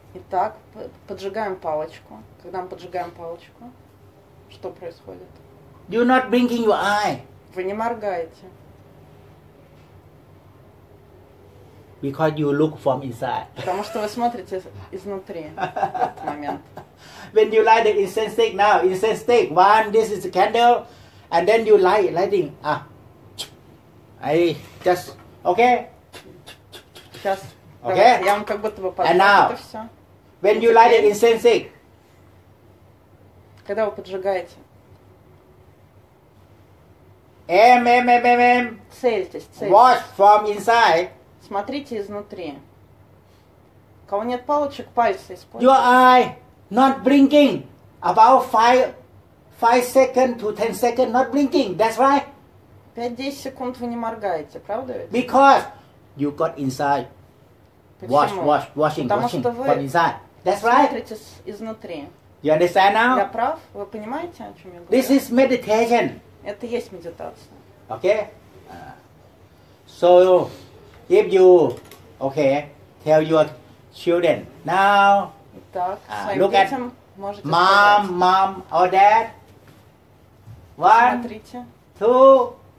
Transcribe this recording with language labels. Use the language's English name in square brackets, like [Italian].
[Russian] Итак, поджигаем палочку. Когда мы поджигаем палочку, что происходит? [English] You're not blinking your eye. [Russian] Вы не моргаете. [English] Because you look from inside. [Russian] Потому что вы смотрите изнутри в этот момент. [English] When you light the incense stick, now, incense stick, one, this is a candle, And then you lighting. Ah. I just okay. Just okay. [Russian] Я вам как будто бы подсказываю. [English] And now, when you light it incense. [Russian] Когда вы поджигаете. Целитесь. [English] Watch from inside. [Russian] Смотрите изнутри. Кого нет палочек, пальцы используйте. [English] Your eye not blinking. About 5 seconds to 10 seconds not blinking. That's right. [Russian] 5-10 секунд вы не моргаете, правда ведь? [English] Because you got inside. [Russian] Почему? [English] Washing from inside. That's [Russian] смотрите [English] right. [Russian] Смотрите изнутри. [English] You understand now? [Russian] Я прав. Вы понимаете, о чем я говорю? [English] This is meditation. [Russian] Это есть медитация. [English] Okay. So if you okay, tell your children now. [Russian] Итак, [English] look at [Russian] можете [English] mom, [Russian] сказать. [English] Mom or dad. One, [Russian] смотрите. [English] Two.